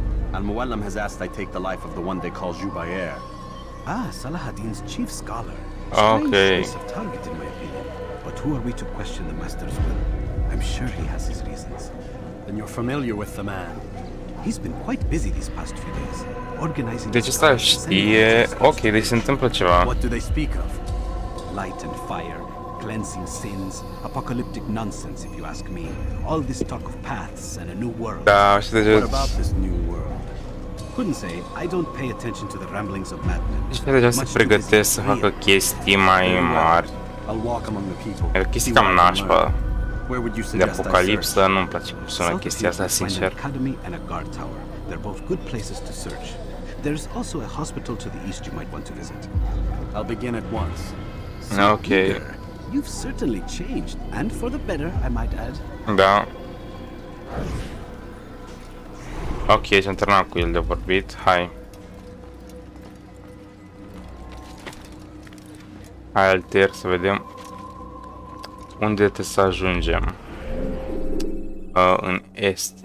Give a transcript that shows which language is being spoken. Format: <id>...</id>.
<en>Al-Muallam has asked I take the life of the one they call Jubair. Ah, Salahadin's chief scholar. Okay. Strange choice of target, in my opinion. But who are we to question the master's will? I'm sure he has his reasons. Then you're familiar with the man. He's been quite busy these past few days, organizing...</en> <ro>Deci asta știe... Ok, deci se întâmplă ceva.</ro> <en>What do they speak of? light and fire, cleansing sins, apocalyptic nonsense, if you ask me. All this talk of paths and a new world. What about this new world? Couldn't say. I don't pay attention to the ramblings of madmen. I'll walk among the people. Where would you suggest I search? Academy and a guard tower. They're both good places to search. There's also a hospital to the east you might want to visit. I'll begin at once. So okay. You've certainly changed, and for the better, I might add.</en> <ro>Da. Ok, și-am terminat cu el de vorbit. Hai. Hai, Altair, să vedem unde trebuie să ajungem. În est.</ro>